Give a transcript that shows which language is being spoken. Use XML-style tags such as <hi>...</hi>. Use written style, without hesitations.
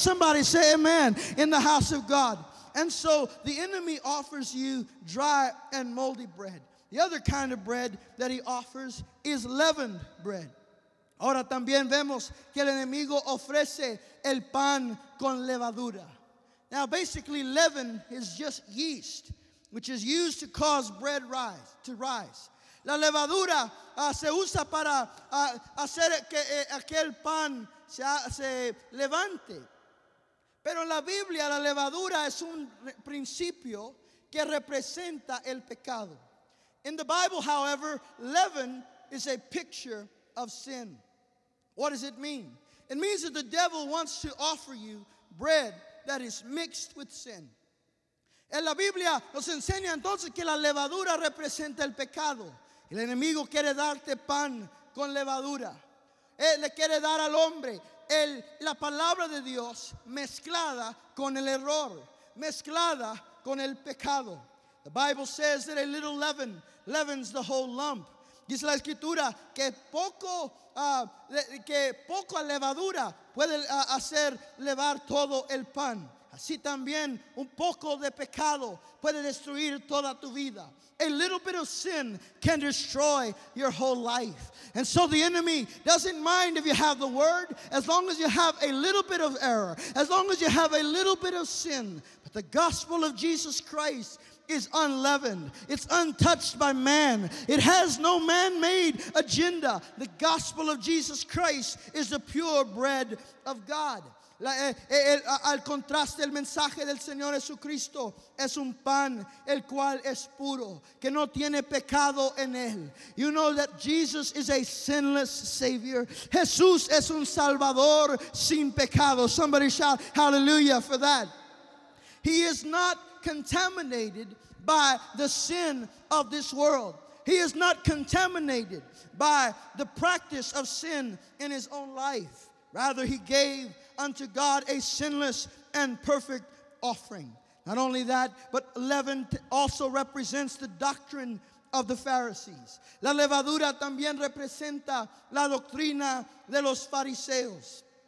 <en>Somebody say amen in the house of God. And so the enemy offers you dry and moldy bread. The other kind of bread that he offers is leavened bread.</en> <es>Ahora también vemos que el enemigo ofrece el pan con levadura.</es> <en>Now, basically, leaven is just yeast, which is used to cause bread to rise.</en> <es>La levadura se usa para hacer que aquel pan se levante. Pero en la Biblia, la levadura es un principio que representa el pecado.</es> <en>In the Bible, however, leaven is a picture of sin. What does it mean? It means that the devil wants to offer you bread that is mixed with sin.</en> <es>En la Biblia nos enseña entonces que la levadura representa el pecado. El enemigo quiere darte pan con levadura. Él le quiere dar al hombre la palabra de Dios mezclada con el error, mezclada con el pecado.</es> <en>The Bible says that a little leaven leavens the whole lump.</en> <es>Dice la escritura que poco levadura puede hacer levar todo el pan. Así también un poco de pecado puede destruir toda tu vida.</es> <en>A little bit of sin can destroy your whole life. And so the enemy doesn't mind if you have the word, as long as you have a little bit of error, as long as you have a little bit of sin. But the gospel of Jesus Christ is unleavened. It's untouched by man. It has no man-made agenda. The gospel of Jesus Christ is the pure bread of God.</en> <es>Al contraste, el mensaje del Señor Jesucristo es un pan el cual es puro, que no tiene pecado en él.</es> <en>You know that Jesus is a sinless Savior.</en> <es>Jesús es un Salvador sin pecado.</es> <en>Somebody shout hallelujah for that. He is not contaminated by the sin of this world. He is not contaminated by the practice of sin in his own life. Rather, he gave unto God a sinless and perfect offering. Not only that, but leaven also represents the doctrine of the Pharisees.</en> <es>La levadura también representa la doctrina de los fariseos.</es>